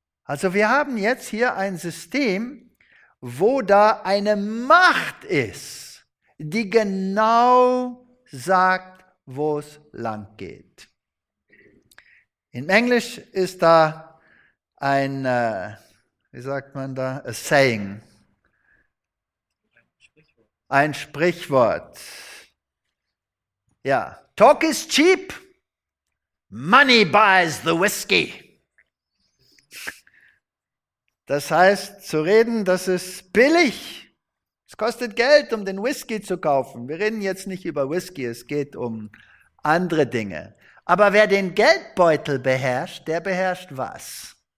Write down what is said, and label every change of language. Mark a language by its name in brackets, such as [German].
[German] Also wir haben jetzt hier ein System, wo da eine Macht ist, die genau sagt, wo es lang geht. In Englisch ist da ein, wie sagt man da, a saying, ein Sprichwort. [English] Ja, talk is cheap, money buys the whiskey. [German] Das heißt, zu reden, das ist billig. Es kostet Geld, um den Whisky zu kaufen. Wir reden jetzt nicht über Whisky, es geht um andere Dinge. Aber wer den Geldbeutel beherrscht, der beherrscht was?